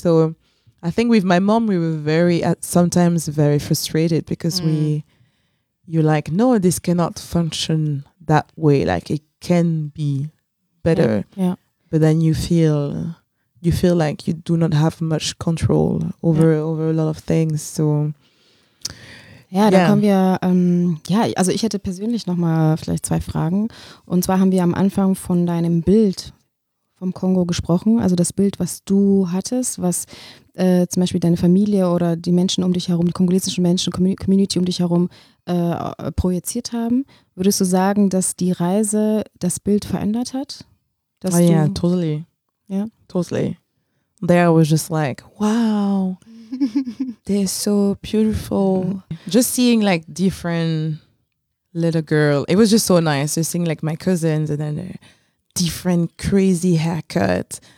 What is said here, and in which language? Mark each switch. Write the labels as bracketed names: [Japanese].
[English] So I think with my mom, we were sometimes very frustrated because you're like, no, this cannot function that way. Like it can be better. Yeah. But then you feel like you do not have much control over a lot of things. So [German] Da kommen wir, also ich hätte persönlich nochmal vielleicht zwei Fragen. Und zwar haben wir am Anfang von deinem Bild vom Kongo gesprochen, also das Bild, was du hattest, was zum Beispiel deine Familie oder die Menschen um dich herum, die kongolesischen Menschen, Community um dich herum projiziert haben. Würdest du sagen, dass die Reise das Bild verändert hat? [English] Totally. Yeah, totally. There I was just like, wow, they're so beautiful. Just seeing like different little girl, it was just so nice. Just seeing like my cousins and then a different crazy haircut.